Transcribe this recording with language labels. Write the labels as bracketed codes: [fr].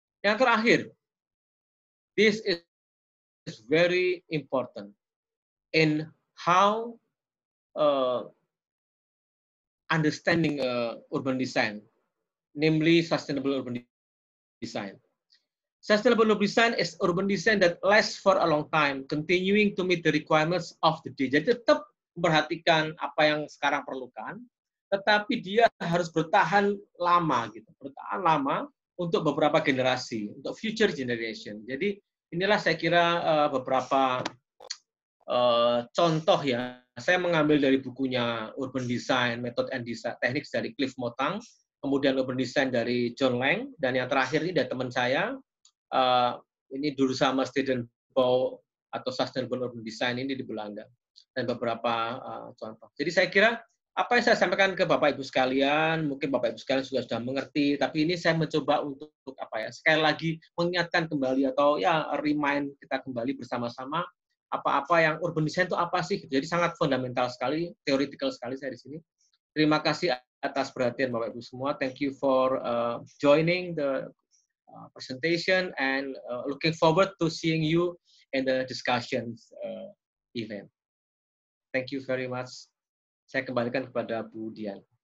[id] Yang terakhir, [en] this is very important in how understanding urban design, namely sustainable urban design. Sustainable urban design is urban design that lasts for a long time, continuing to meet the requirements of the day. [id] Jadi tetap memperhatikan apa yang sekarang perlukan, tetapi dia harus bertahan lama gitu, bertahan lama untuk beberapa generasi, untuk future generation. Jadi inilah saya kira beberapa contoh ya. Saya mengambil dari bukunya Urban Design Method and Design Techniques dari Cliff Motang, kemudian Urban Design dari John Lang, dan yang terakhir ini dari teman saya ini dulu sama Student Bau atau Sustainable Urban Design ini di Belanda, dan beberapa contoh. Jadi saya kira apa yang saya sampaikan ke Bapak Ibu sekalian, mungkin Bapak Ibu sekalian sudah mengerti, tapi ini saya mencoba untuk apa ya, sekali lagi mengingatkan kembali atau ya remind kita kembali bersama-sama apa-apa yang urban design itu apa sih. Jadi sangat fundamental sekali, theoretical sekali saya di sini. Terima kasih atas perhatian Bapak Ibu semua. [en] Thank you for joining the presentation and looking forward to seeing you in the discussions event. Thank you very much. [id] Saya kembalikan kepada Bu Dian.